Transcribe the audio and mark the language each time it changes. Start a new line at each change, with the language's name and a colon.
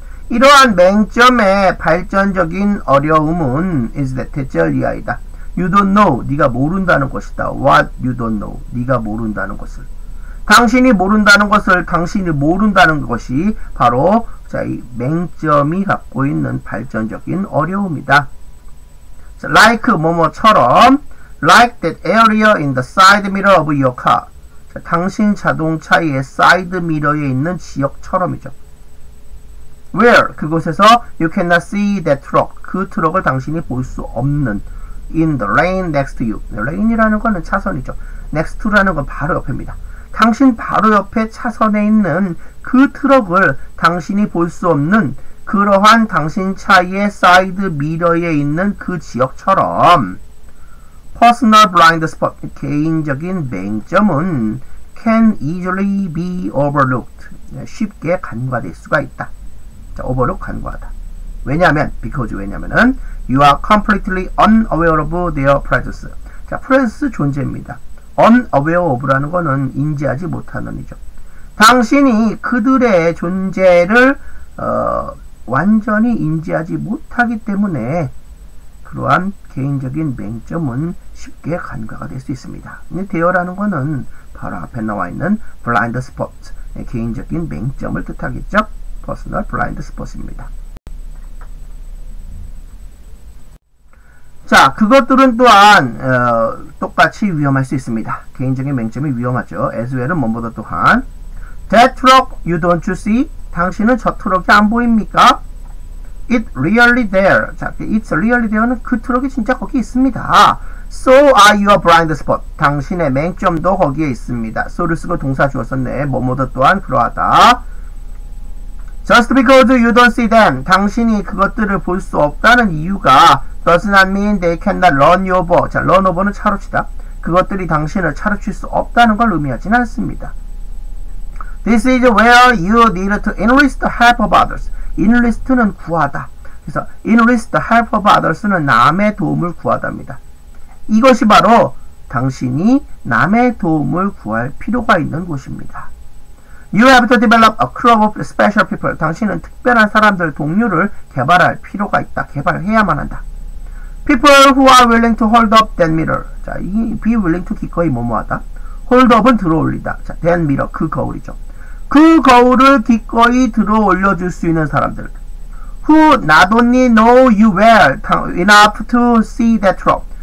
Korean: 이러한 맹점의 발전적인 어려움은
English: is that
Korean: 대절 이하이다.
English: You don't know.
Korean: 네가 모른다는 것이다.
English: What you don't know.
Korean: 네가 모른다는 것을. 당신이 모른다는 것을 당신이 모른다는 것이 바로 자, 이 맹점이 갖고 있는 발전적인 어려움이다.
English: So, like
Korean: 뭐뭐처럼
English: like that area in the side mirror of your car.
Korean: 자, 당신 자동차의 사이드 미러에 있는 지역처럼이죠.
English: Where?
Korean: 그곳에서
English: you cannot see that truck.
Korean: 그 트럭을 당신이 볼 수 없는
English: in the lane next to you.
Korean: Lane이라는 거는 차선이죠. Next to라는 건 바로 옆입니다. 당신 바로 옆에 차선에 있는 그 트럭을 당신이 볼 수 없는 그러한 당신 차의 사이드 미러에 있는 그 지역처럼
English: personal blind spot
Korean: 개인적인 맹점은
English: can easily be overlooked
Korean: 쉽게 간과될 수가 있다. 자, overlook 간과하다. 왜냐하면,
English: because
Korean: 왜냐하면은
English: you are completely unaware of their presence.
Korean: 자, presence 존재입니다. unaware of라는 거는 인지하지 못하는 이죠. 당신이 그들의 존재를 완전히 인지하지 못하기 때문에 그러한 개인적인 맹점은 쉽게 간과가 될 수 있습니다. 근데 대어라는 거는 바로 앞에 나와 있는
English: blind spot
Korean: 개인적인 맹점을 뜻하겠죠.
English: Personal Blind Spot입니다.
Korean: 자, 그것들은 또한 똑같이 위험할 수 있습니다. 개인적인 맹점이 위험하죠.
English: As well은
Korean: 뭐보다 또한
English: That truck you don't you see?
Korean: 당신은 저 트럭이 안 보입니까?
English: It really there. 자, It's really there는
Korean: 그 트럭이 진짜 거기 있습니다.
English: So are your blind spot.
Korean: 당신의 맹점도 거기에 있습니다. So를 쓰고 동사 주었었네. 뭐보다 또한 그러하다.
English: Just because you don't see them,
Korean: 당신이 그것들을 볼 수 없다는 이유가
English: does not mean they cannot run you over.
Korean: 자, run over는 차로 치다. 그것들이 당신을 차로 칠 수 없다는 걸 의미하지는 않습니다.
English: This is where you need to enlist the help of others.
Korean: Enlist는 구하다. 그래서
English: enlist the help of others
Korean: 는 남의 도움을 구하답니다. 이것이 바로 당신이 남의 도움을 구할 필요가 있는 곳입니다.
English: You have to develop a club of special people.
Korean: 당신은 특별한 사람들, 동료를 개발할 필요가 있다. 개발해야만 한다.
English: People who are willing to hold up that mirror.
Korean: 자, 이
English: be willing to
Korean: 기꺼이 뭐뭐하다. Hold up은 들어올리다. 자, that mirror, 그 거울이죠. 그 거울을 기꺼이 들어올려줄 수 있는 사람들.
English: Who not only know you well enough to see that truck.